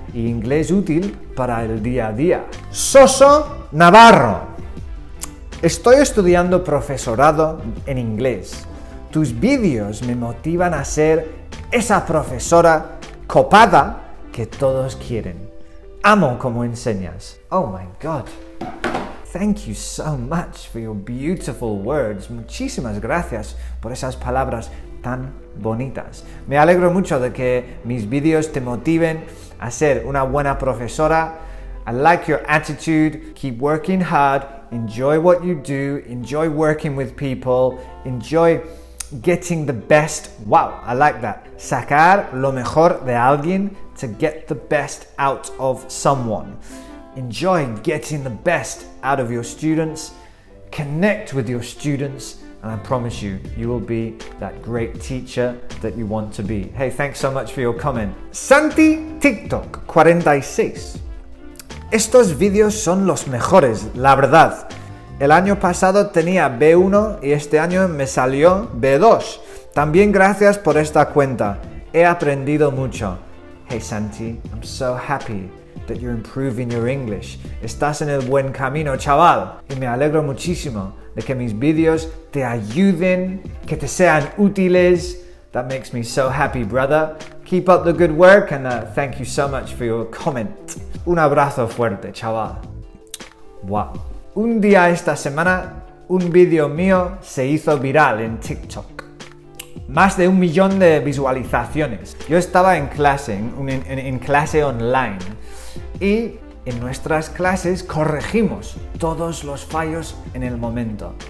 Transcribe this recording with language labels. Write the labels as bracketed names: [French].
[Spanish] Y inglés útil para el día a día. Soso Navarro. Estoy estudiando profesorado en inglés. Tus vídeos me motivan a ser esa profesora copada que todos quieren. Amo cómo enseñas. [English] Oh my God. Thank you so much for your beautiful words. [Spanish] Muchísimas gracias por esas palabras tan bonitas. Me alegro mucho de que mis videos te motiven a ser una buena profesora. [English] I like your attitude. Keep working hard. Enjoy what you do. Enjoy working with people. Enjoy getting the best. Wow, I like that. [Spanish] Sacar lo mejor de alguien, [English] to get the best out of someone. Enjoy getting the best out of your students. Connect with your students, and I promise you, you will be that great teacher that you want to be. Hey, thanks so much for your comment. Santi TikTok 46. [Spanish] Estos videos son los mejores, la verdad. El año pasado tenía B1 y este año me salió B2. También gracias por esta cuenta. He aprendido mucho. [English] Hey Santi, I'm so happy that you're improving your English. [Spanish] Estás en el buen camino, chaval. Y me alegro muchísimo de que mis videos te ayuden, que te sean útiles. [English] That makes me so happy, brother. Keep up the good work and thank you so much for your comment. [Spanish] Un abrazo fuerte, chaval. Wow. Un día esta semana, un video mío se hizo viral en TikTok. más de 1 millón de visualizaciones. Yo estaba en clase, en clase online, y en nuestras clases corregimos todos los fallos en el momento.